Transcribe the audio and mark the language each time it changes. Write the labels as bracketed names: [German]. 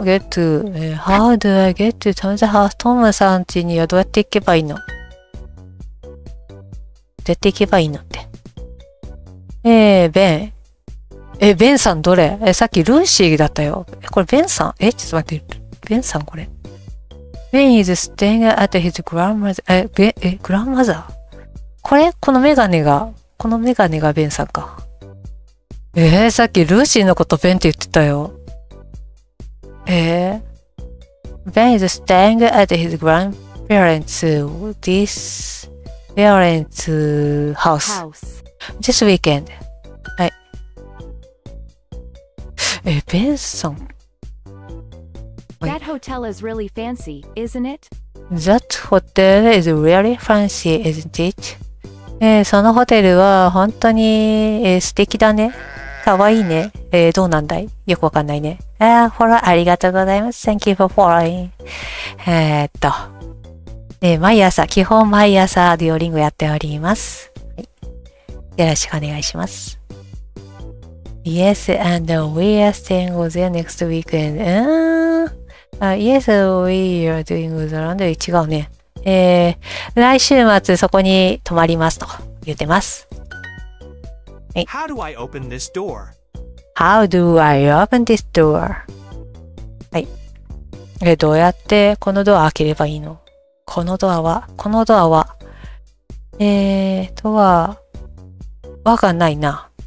[English] Get to、How do I get to Tom's house? [Japanese] Tom さん家にはどうやって行けばいいの?どうやって行けばいいのって。 Ben。 Ben さんどれ? さっきルーシーだったよ。これ Ben さん?ちょっと待って。Ben さんこれ。 [English] Ben is staying at his grandmother's. [Japanese] これこのメガネがこのメガネがベンさんか。さっきルーシーのことベンって言ってたよ。 [English] Ben is staying at his grandparents' this parents' house. This weekend. はい。 [Japanese] ベンさん。 [English] That hotel is really fancy, isn't it? That hotel is really fancy, isn't it? [Japanese] そのホテルは本当に、素敵だね。かわいいね。どうなんだい？よくわかんないね。フォローありがとうございます。 [English] Thank you for following. [Japanese] ね、毎朝、基本毎朝、デュオリンゴやっております。はい、よろしくお願いします。 [English] Yes, and we are staying there next weekend. Yes, we are doing the laundry. [Japanese] 違うね。来週末そこに泊まりますと言ってます。 [English] How do I open this door? How do I open this door? [Japanese] はい。どうやってこのドア開ければいいの？このドアは、このドアは、ドア、わかんないな。